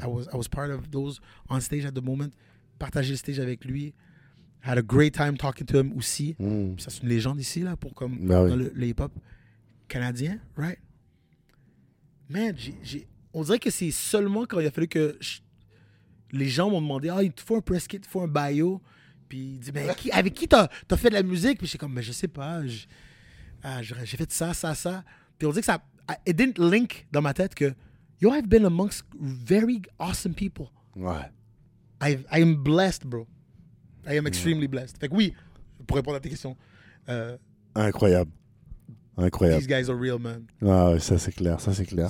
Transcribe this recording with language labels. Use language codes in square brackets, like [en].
[en] I was part of those on stage at the moment. [fr] Partager le stage avec lui. [en] I had a great time talking to him aussi. Mm. [fr] Ça, c'est une légende ici, là, pour comme ben dans oui. le hip-hop canadien, right? Man, on dirait que c'est seulement quand il a fallu que les gens m'ont demandé, il te faut un press kit, il te faut un bio. Puis il dit, mais avec qui t'as fait de la musique? Puis j'ai comme, mais je sais pas. J'ai fait ça. Puis on dit que ça, [en] it didn't link [fr] dans ma tête que, yo, [en] I've been amongst very awesome people. [fr] Ouais. [en] I'm blessed, bro. I am extremely blessed. [fr] Fait que oui, pour répondre à tes questions. Incroyable. Incroyable. [en] These guys are real, man. [fr] Ah ouais, ça c'est clair, ça c'est clair.